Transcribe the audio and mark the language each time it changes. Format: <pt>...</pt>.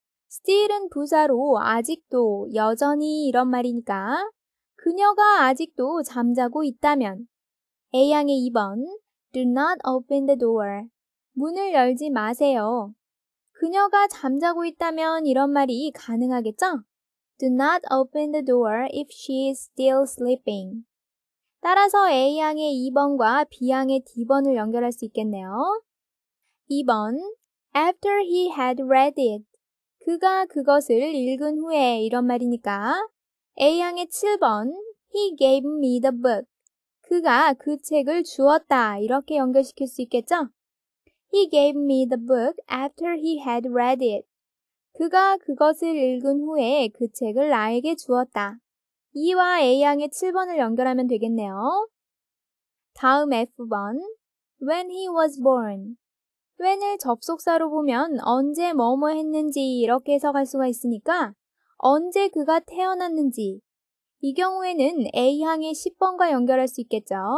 <ko>Still은 부사로 아직도, 여전히 이런 말이니까 그녀가 아직도 잠자고 있다면 A양의 2번</ko> <en>Do not open the door.</en> <ko>문을 열지 마세요. 그녀가 잠자고 있다면 이런 말이 가능하겠죠?</ko> <en>Do not open the door if she is still sleeping.</en> <ko>따라서 A양의 2번과 B양의 D번을 연결할 수 있겠네요.</ko> <en>2번 After he had read it.</en> <ko>그가 그것을 읽은 후에 이런 말이니까 A양의 7번</ko> <en>He gave me the book.</en> <ko>그가 그 책을 주었다. 이렇게 연결시킬 수 있겠죠?</ko> <en>He gave me the book after he had read it.</en> <ko>그가 그것을 읽은 후에 그 책을 나에게 주었다. E와 A양의 7번을 연결하면 되겠네요. 다음 F번</ko> <en>When he was born.</en> <ko>When을 접속사로 보면 언제 뭐뭐 했는지 이렇게 해석할 수가 있으니까 언제 그가 태어났는지 이 경우에는 A향의 10번과 연결할 수 있겠죠.</ko>